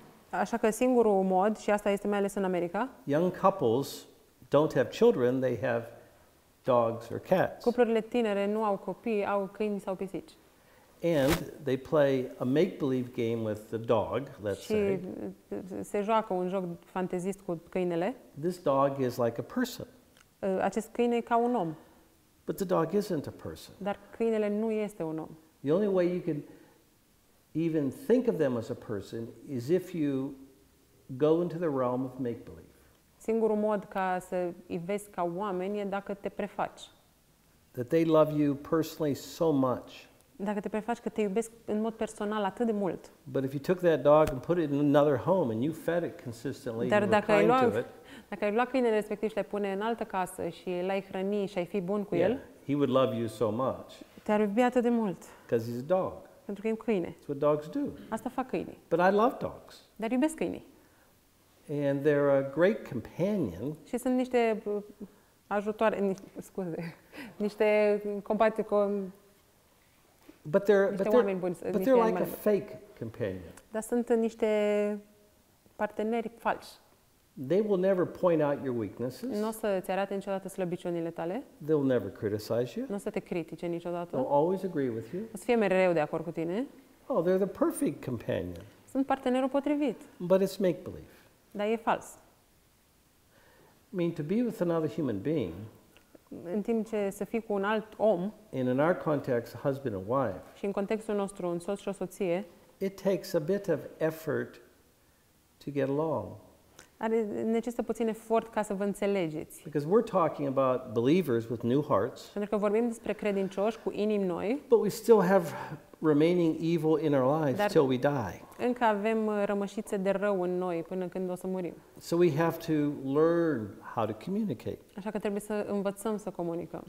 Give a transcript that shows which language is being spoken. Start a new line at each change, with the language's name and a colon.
Romanian: Așa că singurul mod, și asta este mai ales în America.
English: Young couples don't have children, they have dogs or cats.
Romanian: Cuplurile tinere nu au copii, au câini sau pisici.
English: And they play a make-believe game with the dog, let's say.
Romanian: Se joacă un joc fantezist cu câinele.
English: This dog is like a person.
Romanian: Acest câine e ca un om.
English: But the dog isn't a person.
Romanian: Dar câinele nu este un om.
English: The only way you can even think of them as a person is if you go into the realm of make-believe.
Romanian: Singurul mod ca să îi vezi ca oameni e dacă te prefaci.
English: That they love you personally so much.
Romanian: Dacă te prefaci că te iubesc în mod personal atât de mult.
English: But if you took that dog and put it in another home and you fed it consistently,
Romanian: dar
English: and were kind to it.
Romanian: Dacă ai lua câinele respectiv și l-ai pune în altă casă și l-ai hrăni și ai fi bun cu el.
English: Yeah, he would love you so much.
Romanian: Te-ar iubi atât de mult.
English: Because he's a dog.
Romanian: Pentru că e un câine.
English: That's what dogs do.
Romanian: Asta fac câinii.
English: But I love dogs.
Romanian: Dar iubesc câinii.
English: And they're a great companion.
Romanian: Și sunt niște ajutoare, scuze, niște compatri cu
English: But they're like a fake companion.
Romanian: Dar sunt niște parteneri falși.
English: They will never point out your weaknesses.
Romanian: N-o să ți arate niciodată slăbiciunile tale.
English: They'll never criticize you.
Romanian: N-o să te critique niciodată.
English: They'll always agree with you.
Romanian: O să fie mereu de acord cu tine.
English: Oh, they're the perfect companion.
Romanian: Sunt partenerul potrivit.
English: But it's make-believe.
Romanian: Dar e fals.
English: I mean, to be with another human being.
Romanian: În timp ce să fii cu un alt om.
English: And in our context, a husband and wife.
Romanian: Și în contextul nostru, un soț și o soție.
English: It takes a bit of effort to get along.
Romanian: Necesită puțin efort ca să vă înțelegeți.
English: Because we're talking about believers with new hearts.
Romanian: Pentru că vorbim despre credincioși cu inimi noi.
English: But we still have remaining evil in our lives till we die.
Romanian: Încă avem rămășițe de rău în noi până când o să murim.
English: So we have to learn how to communicate.
Romanian: Așa că trebuie să învățăm să comunicăm.